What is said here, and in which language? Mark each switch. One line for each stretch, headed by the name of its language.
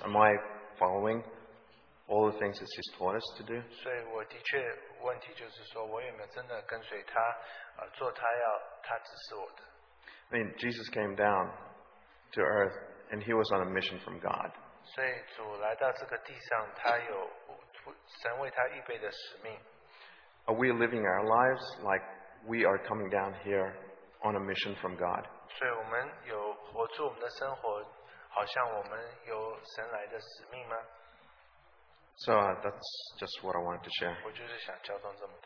English: Am I following all the things that He's taught us to do?
Chinese: 所以我的确问题就是说，我有没有真的跟随他，做他要他指示我的？
English: I mean, Jesus came down to earth, and He was on a mission from God.
Chinese: 所以主来到这个地上，他有神为他预备的使命。
English: Are we living our lives like we are coming down here on a mission from God?
Chinese: 所以我们有活出我们的生活，好像我们有神来的使命吗？
English: So that's just what I wanted to share.